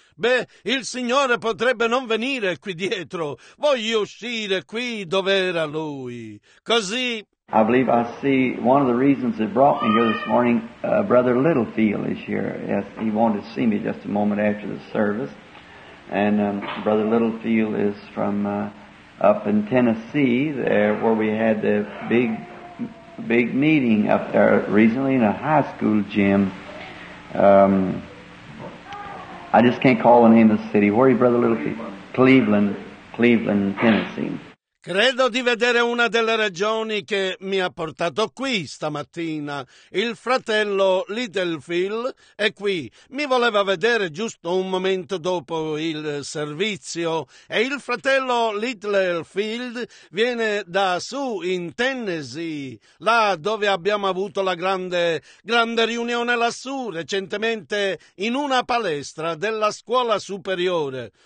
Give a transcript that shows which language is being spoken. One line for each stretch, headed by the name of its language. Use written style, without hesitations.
Italian: Beh, il Signore potrebbe non venire qui dietro. Voglio uscire qui dov'era lui. Così.
English: I believe I see one of the reasons that brought me here this morning. Brother Littlefield is here. Yes, he wanted to see me just a moment after the service. And Brother Littlefield is from up in Tennessee, there where we had the big meeting up there recently in a high school gym. I just can't call the name of the city. Where are you, Brother Littlefield? Cleveland, Tennessee.
Italian: Credo di vedere una delle ragioni che mi ha portato qui stamattina. Il fratello Littlefield è qui. Mi voleva vedere giusto un momento dopo il servizio. E il fratello Littlefield viene da su in Tennessee, là dove abbiamo avuto la grande riunione lassù recentemente in una palestra della scuola superiore.